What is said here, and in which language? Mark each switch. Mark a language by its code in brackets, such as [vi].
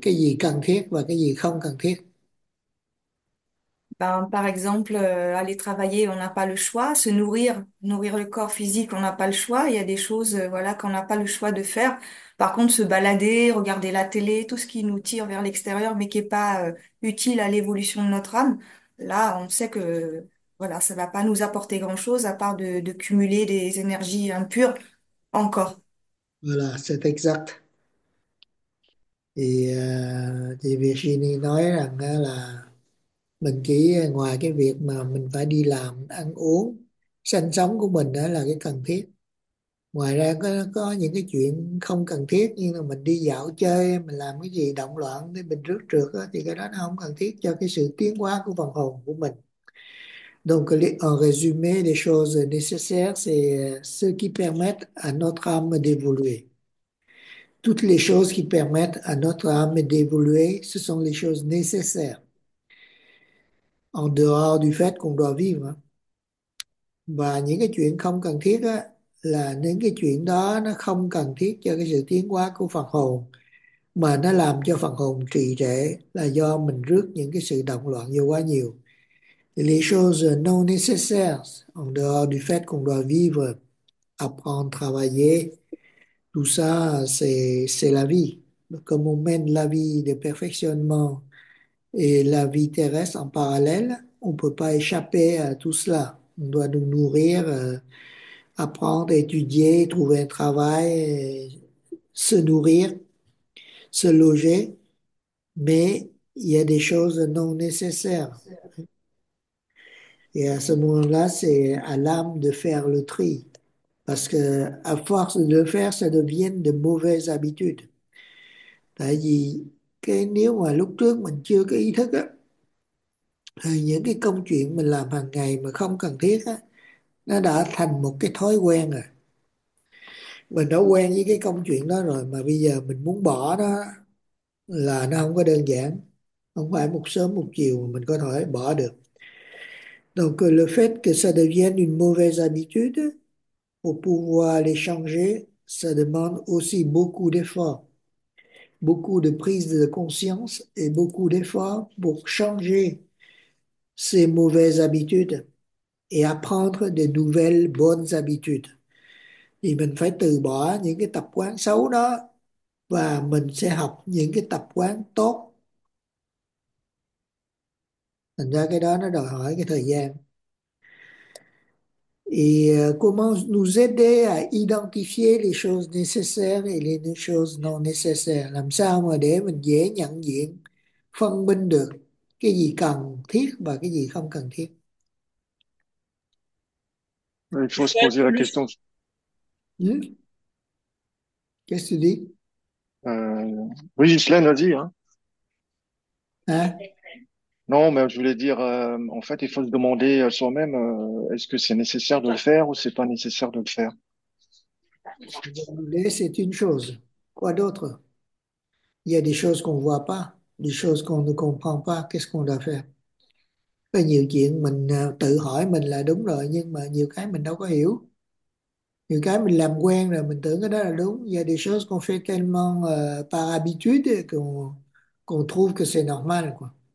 [vi] Cái gì cần thiết và cái gì không cần thiết? [fr] Ben, par exemple, aller travailler, on n'a pas le choix. Se nourrir, nourrir le corps physique, on n'a pas le choix. Il y a des choses, voilà, qu'on n'a pas le choix de faire. Par contre, se balader, regarder la télé, tout ce qui nous tire vers l'extérieur, mais qui n'est pas, utile à l'évolution de notre âme, là, on sait que, voilà, ça ne va pas nous apporter grand-chose à part de cumuler des énergies impures encore. Voilà, c'est exact. [vi] Thì Virginie nói rằng là mình chỉ ngoài cái việc mà mình phải đi làm, ăn uống, sinh sống của mình đó là cái cần thiết. Ngoài ra có những cái chuyện không cần thiết như là mình đi dạo chơi, mình làm cái gì động loạn thì mình rước trượt đó, thì cái đó nó không cần thiết cho cái sự tiến hóa của phần hồn của mình. [fr] Donc, en résumé, les choses nécessaires, c'est ce qui permet à notre âme d'évoluer. Toutes les choses qui permettent à notre âme d'évoluer, ce sont les choses nécessaires. En dehors du fait qu'on doit vivre. [vi] Và những cái chuyện không cần thiết á, là những cái chuyện đó nó không cần thiết cho cái sự tiến hóa của phần hồn, mà nó làm cho phần hồn trì trệ là do mình rước những cái sự động loạn vô quá nhiều. [fr] Les choses non nécessaires, en dehors du fait qu'on doit vivre, apprendre, travailler, tout ça, c'est la vie. Comme on mène la vie de perfectionnement et la vie terrestre en parallèle, on ne peut pas échapper à tout cela. On doit nous nourrir, apprendre, étudier, trouver un travail, se nourrir, se loger. Mais il y a des choses non nécessaires. Et à ce moment-là, c'est à l'âme de faire le tri. Parce que, à force de le faire, ça devient de mauvaises habitudes. [vi] Tại vì, cái nếu mà lúc trước mình chưa có ý thức á, thì những cái công chuyện mình làm hàng ngày mà không cần thiết á, nó đã thành một cái thói quen rồi. Mình đã quen với cái công chuyện đó rồi, mà bây giờ mình muốn bỏ nó là nó không có đơn giản. Không phải một sớm một chiều mà mình có thể bỏ được. Donc, le fait que ça devienne une mauvaise habitude, pour pouvoir les changer, ça demande aussi beaucoup d'efforts, beaucoup de prise de conscience et beaucoup d'efforts pour changer ces mauvaises habitudes et apprendre des nouvelles bonnes habitudes. Thì mình phải từ bỏ những cái tập quán xấu đó và mình sẽ học những cái tập quán tốt. Thành ra cái đó nó đòi hỏi cái thời gian. [fr] et comment nous aider à identifier les choses nécessaires et les choses non nécessaires. [vi] Làm sao mà để mình dễ nhận diện, phân minh được cái gì cần thiết và cái gì không cần thiết. [fr] Il faut se poser la question. Qu'est-ce que tu dis? Oui, Ghislaine a dit, hein. Hein? Non, mais je voulais dire, en fait, il faut se demander à soi-même, est-ce que c'est nécessaire de le faire ou c'est pas nécessaire de le faire. C'est une chose. Quoi d'autre? Il y a des choses qu'on ne voit pas, des choses qu'on ne comprend pas. Qu'est-ce qu'on doit faire? [vi] Có nhiều chuyện mình tự hỏi mình là đúng rồi, nhưng mà nhiều cái mình đâu có hiểu. Nhiều cái mình làm quen rồi, mình tưởng cái đó là đúng. [fr] Il y a des choses qu'on fait tellement par habitude qu'on trouve que c'est normal, quoi.